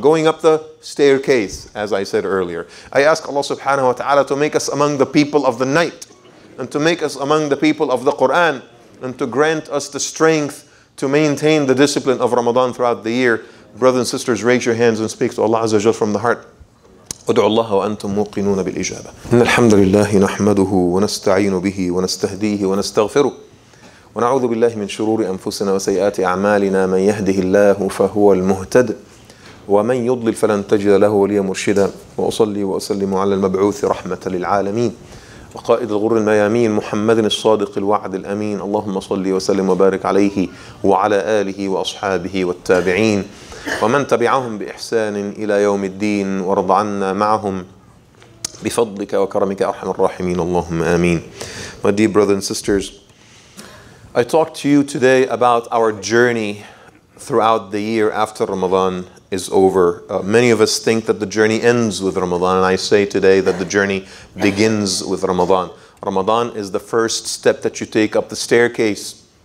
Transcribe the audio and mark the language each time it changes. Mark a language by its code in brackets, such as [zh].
[en] Going up the staircase, as I said earlier. I ask Allah subhanahu wa ta'ala to make us among the people of the night. And to make us among the people of the Quran. And to grant us the strength to maintain the discipline of Ramadan throughout the year. Brothers and sisters, raise your hands and speak to Allah azza wa jalla from the heart. [ar] ادعوا الله وأنتم موقنون بالإجابة إن الحمد لله نحمده ونستعين به ونستهديه ونستغفره ونعوذ بالله من شرور أنفسنا وسيئات أعمالنا من يهده الله فهو المهتد ومن يضلل فلن تجد له وليا مرشدا وأصلي وأسلم على المبعوث رحمة للعالمين وقائد الغر الميامين محمد الصادق الوعد الأمين اللهم صلي وسلم وبارك عليه وعلى آله وأصحابه والتابعين ومن تبعهم بإحسان إلى يوم الدين وارض عنا معهم بفضلك وكرمك أرحم الراحمين اللهم آمين. [en] My dear brothers and sisters, I talked to you today about our journey throughout the year after Ramadan is over. Many of us think that the journey ends with Ramadan, and I say today that the journey begins with Ramadan. Ramadan is the first step that you take up the staircase.